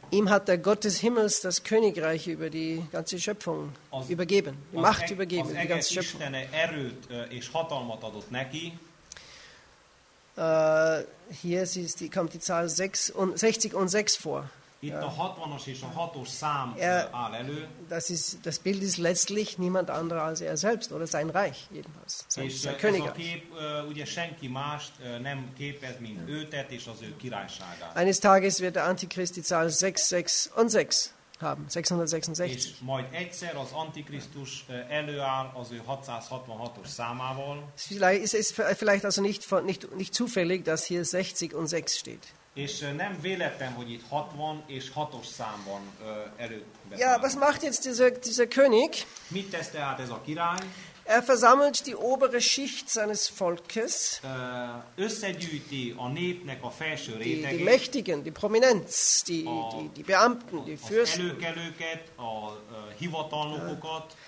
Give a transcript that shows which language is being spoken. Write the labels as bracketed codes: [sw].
[de] Ihm hat der Gott des Himmels das Königreich über die ganze Schöpfung übergeben, die Macht übergeben, die ganze Schöpfung. [hu] Istene erőt és hatalmat adott neki. [de] Hier ist die, kommt die Zahl 60 und 6 vor. [hu] Itt a 60-as és a 6-os szám áll elő. [de] Das Bild ist letztlich niemand anderer als er selbst oder sein Reich jedenfalls. Sein Königreich. [hu] És ez a kép ugye senki mást nem képez, mint őtet és az ő királyságát. [de] Eines Tages wird der Antichrist die Zahl 666 haben, 666. [hu] És majd egyszer az Antikrisztus előáll az ő 666-os számával. [de] Vielleicht also nicht zufällig, dass hier 60 und 6 steht. [hu] És nem véletlen, hogy itt 60 és 6-os számban előtt. [de] Ja, was macht jetzt dieser König? [hu] Mit tesz tehát ez a király? [de] Er versammelt die obere Schicht seines Volkes. [hu] Összegyűjti a népnek a felső rétegét. [de] Die Mächtigen, die Prominenz, die Beamten, die Fürsten. [hu] Az előkelőket, a hivatalnokokat.